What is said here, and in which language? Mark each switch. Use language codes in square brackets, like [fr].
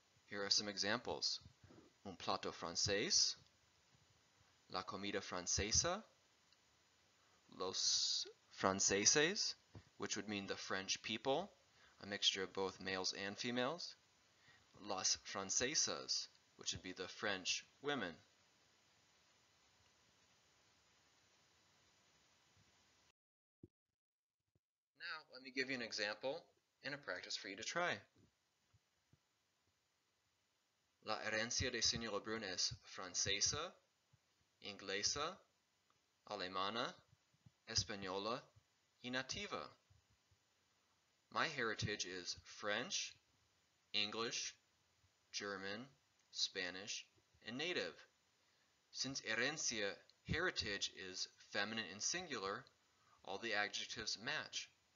[en] Here are some examples. [es] Un plato francés, la comida francesa, los franceses, [en] which would mean the French people, a mixture of both males and females, [es] las francesas, [en] which would be the French women. Now, let me give you an example and a practice for you to try. [es] La herencia de señor Lebrun es francesa, inglesa, alemana, española y nativa. [en] My heritage is French, English, German, Spanish, and native. Since herencia, heritage, is feminine and singular, all the adjectives match.